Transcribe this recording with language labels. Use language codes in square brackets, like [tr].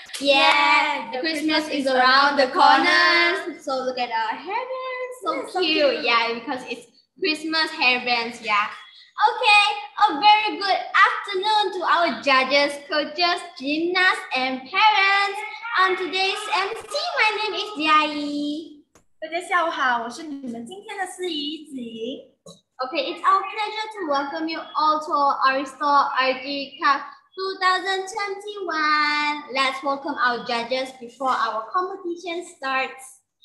[en] Yeah, the Christmas is around the corner. So look at our hairbands. So cute. Yeah, because it's Christmas hairbands. Yeah. Okay, a very good afternoon to our judges, coaches, gymnasts, and parents. On today's MC, my name is Jia Yi. [zh] 大家下午好，我是你们今天的司仪子莹。 [en] Okay, it's our pleasure to welcome you all to Aristo RG Cup 2021. Let's welcome our judges before our competition starts.